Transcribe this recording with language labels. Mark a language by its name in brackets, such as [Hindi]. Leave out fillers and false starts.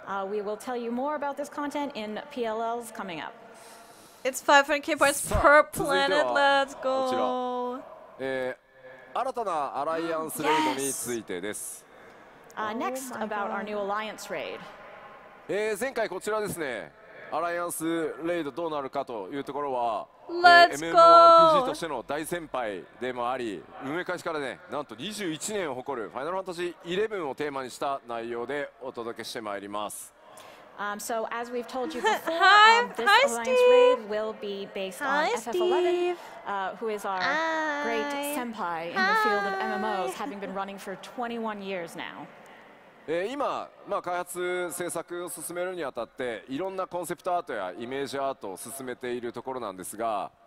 [English] We will tell you more about this content in PLLs coming up. It's 500k points per planet. Let's go. [Japanese] こちら、新たなアライアンスレイドについてです。 [English] Next about our new alliance raid. [Japanese] 前回こちらですね。アライアンスレイドどうなるかというところは、MMORPGとしての大先輩でもあり、運営開始からね、なんと21年を誇るファイナルファンタジー11をテーマにした内容でお届けしてまいります。 [English] So as we've told you before, this alliance raid will be based on FF11, who is our great senpai in the field of MMOs, having been running for 21 years now. [Japanese] 今、まあ開発制作を進めるにあたって、いろんなコンセプトアートやイメージアートを進めているところなんですが。